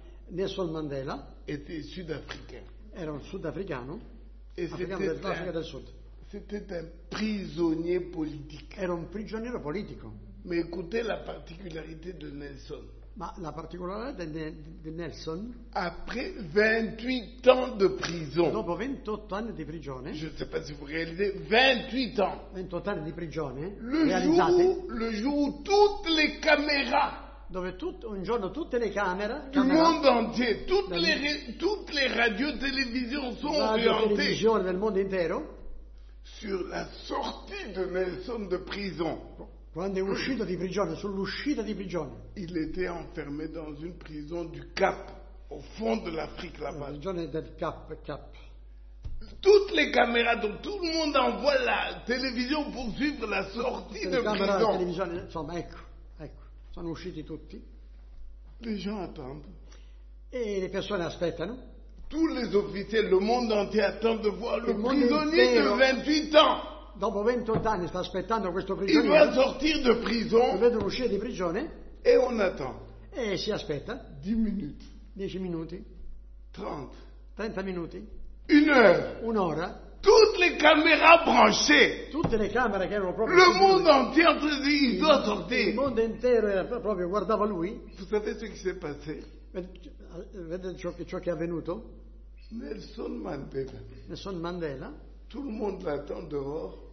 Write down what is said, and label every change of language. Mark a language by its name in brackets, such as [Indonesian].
[French] Nelson Mandela était sud-africain. [Italian] Era un sudafricano. [French] Et c'était un prisonnier politique. [Italian] Era un prigioniero politico. [French] Mais écoutez la particularité de Nelson. [Italian] Ma la particolarità di Nelson. [French] Après 28 ans de prison. [Italian] Dopo 28 anni di prigione. [French] Je ne sais pas si vous réalisez 28 ans. [Italian] 28 anni di prigione. [French] Le jour où toutes les caméras. [Italian] Dove un giorno tutte le camere. [French] Du monde entier, toutes les radios, télévisions sont orientées. [Italian] La radio del mondo intero. [French] Sur la sortie de Nelson de prison. [Italian] Quando è uscito di prigione, sull'uscita di prigione. [French] Il était enfermé dans une prison du Cap, au fond de l'Afrique là-bas. [Italian] La prigione del Cap. [French] Toutes les caméras, donc tout le monde envoie la télévision pour suivre la sortie de prison. [Italian] La televisione, insomma, ecco, sono usciti tutti. [French] Les gens attendent. Et les personnes [Italian] aspettano. [French] Tous les officiers, le monde entier attend de voir le prisonnier de 28 ans. [Italian] Dopo 28 anni sta aspettando questo prigioniero. [French] Il va sortir de prison. [Italian] Vede uscire di prigione. [French] E on attend. [Italian] E si aspetta. 10 minuti. 30 minuti. Un'ora. [French] Toutes les caméras branchées. [Italian] Tutte le camere che erano proprio. [French] Le monde entier en train de dire il doit sortir. [Italian] Il mondo intero era proprio guardava lui. [French] Vous savez ce qui s'est passé? [Italian] Vede ciò che è avvenuto? [French] Nelson Mandela. Tout le monde l'attend dehors.